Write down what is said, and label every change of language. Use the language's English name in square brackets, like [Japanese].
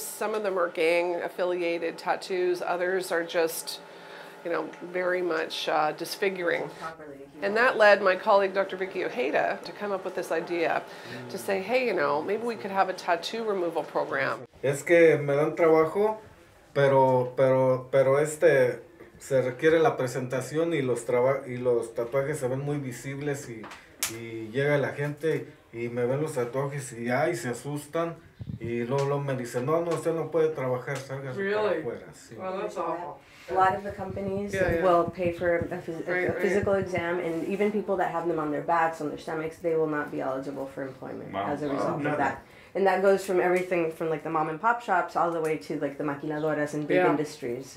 [English] Some of them are gang-affiliated tattoos. Others are just, you know, very much disfiguring. And that led my colleague, Dr. Vicky Ojeda, to come up with this idea to say, hey, you know, maybe we could have a tattoo removal program. [Spanish] Es que me dan trabajo, pero este... Se requiere la presentación y los tatuajes se ven muy visibles y llega la gente y me ven los tatuajes y ay, se asustan y luego me dicen, no, usted no puede trabajar, salga de afuera. [English] Sí. Well, that's awful. A lot of the companies will pay for a physical exam, and even people that have them on their backs, on their stomachs, they will not be eligible for employment as a result of that. And that goes from everything from like the mom and pop shops all the way to like the maquiladoras and big industries.